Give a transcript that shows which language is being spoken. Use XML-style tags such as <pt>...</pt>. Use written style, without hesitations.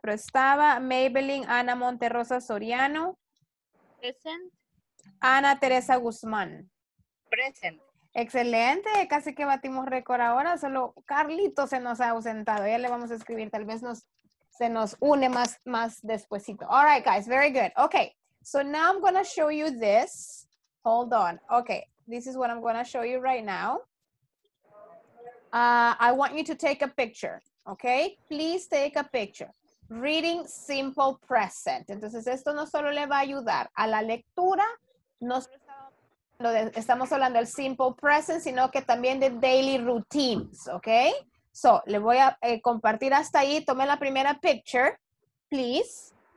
<es>Pero estaba Maybelline Ana Monterrosa Soriano.</es> <en>Present.</en> <es>Ana Teresa Guzmán.</es> <en>Present.</en> <es>Excelente, casi que batimos récord ahora. Solo Carlito se nos ha ausentado. Ya le vamos a escribir, tal vez se nos une más despuesito.</es> <en>All right, guys, very good. Okay, so now I'm going to show you this. Hold on. Okay, this is what I'm going to show you right now. I want you to take a picture, okay? Please take a picture. Reading simple present.</en> <es>Entonces, esto no solo le va a ayudar a la lectura, no solo estamos hablando del simple present, sino que también de daily routines, okay? So, le voy a compartir hasta ahí. Tome la primera picture, please.</es>